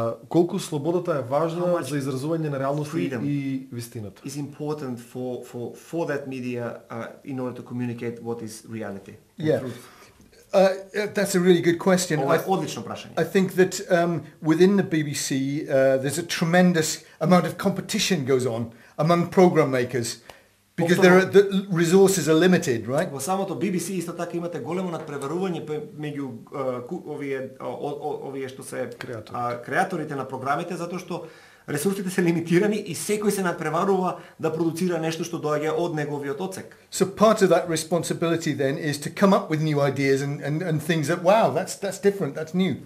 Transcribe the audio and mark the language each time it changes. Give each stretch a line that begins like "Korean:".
Macedonian: Колку слободата е важна за изразување на реалноста и вистината?
English: Is important for that media in order to communicate what is reality and yeah. truth. That's a really good question. I think that within the BBC there's a tremendous amount of competition goes on among program makers. Because the resources are limited, right?
Macedonian: Во самото BBC исто така имате големо надпреварување меѓу овие што се креаторите на програмите, затоа што ресурсите се лимитирани и секој се надпреварува да продуцира нешто што доаѓа од неговиот оцек.
English: So part of that responsibility then is to come up with new ideas and things that wow, that's different, that's new.